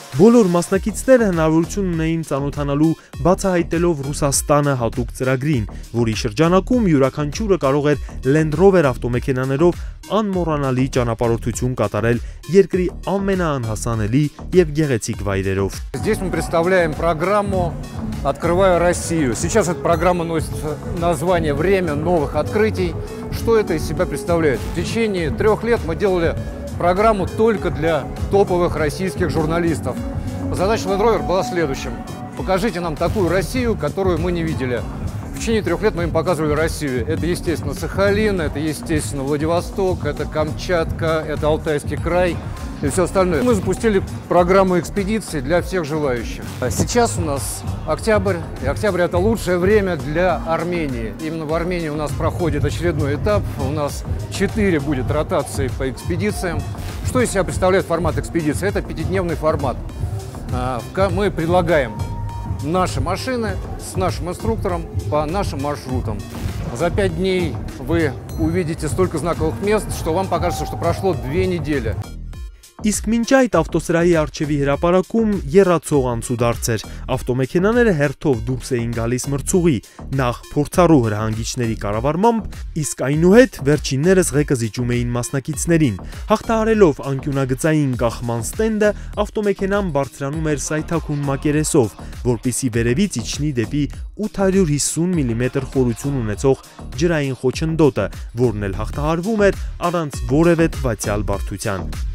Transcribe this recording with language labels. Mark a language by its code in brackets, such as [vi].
[hy] Բոլոր մասնակիցները հնարավորություն ունեին ծանոթանալու բացահայտելով Ռուսաստանը հատուկ ծրագրին, որի շրջանակում յուրաքանչյուրը կարող էր Land Rover ավտոմեքենաներով անմոռանալի ճանապարհորդություն կատարել երկրի ամենաանհասանելի եւ գեղեցիկ վայրերով։ [ru] Здесь мы представляем программу «Открываю Россию». Сейчас эта программа носит название «Время новых открытий». Что это из себя представляет? В течение 3 лет мы делали программу только для топовых российских журналистов. Задача Land Rover была следующим. Покажите нам такую Россию, которую мы не видели. В течение 3 лет мы им показывали Россию. Это, естественно, Сахалин, это, естественно, Владивосток, это Камчатка, это Алтайский край и все остальное. Мы запустили программу экспедиций для всех желающих. Сейчас у нас октябрь, и октябрь – это лучшее время для Армении. Именно в Армении у нас проходит очередной этап. У нас 4 будет ротации по экспедициям. Что из себя представляет формат экспедиции? Это 5-дневный формат. Мы предлагаем наши машины с нашим инструктором по нашим маршрутам. За 5 дней вы увидите столько знаковых мест, что вам покажется, что прошло 2 недели. [hy] Իսկ մինչ այդ ավտոսրահի առջևի հրապարակում երացող անցուդարձ էր, ավտոմեքենաները հերթով դուրս էին գալիս մրցուղի, նախ փորձառու հրահանգիչների կառավարմամբ, իսկ այնուհետ վերջիններս ղեկը զիջում էին մասնակիցներին, հաղթահարելով անկյունագծային գաղման ստենդը, ավտոմեքենան բարձրանում էր սայթաքուն մակերեսով, որպիսի վերևից իջնի դեպի 850 մմ խորություն ունեցող ջրային խոչընդոտը, որն էլ հաղթահարվում էր առանց որևէ թվացյալ բարդության։